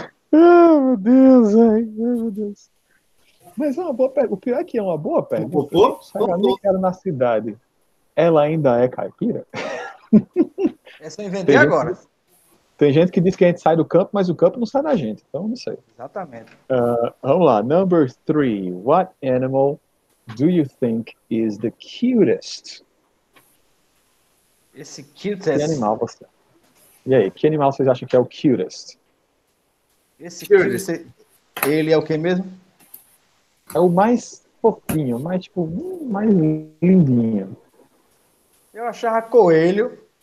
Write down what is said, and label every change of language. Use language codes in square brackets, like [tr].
[pt] Meu Deus, velho. Meu Deus. Mas é uma boa pergunta. O pior é que é uma boa pergunta. Se a galinha que era na cidade, ela ainda é caipira? Essa eu inventei agora. Tem gente que diz que a gente sai do campo, mas o campo não sai da gente. Então, não sei. Exatamente. Vamos lá. [en] Number three. What animal do you think is the cutest? [pt] Esse cutest. Que animal você... E aí, que animal vocês acham que é o cutest? Esse cutest. Ele é o que mesmo? É o mais fofinho, mais tipo, mais lindinho. Eu achava coelho.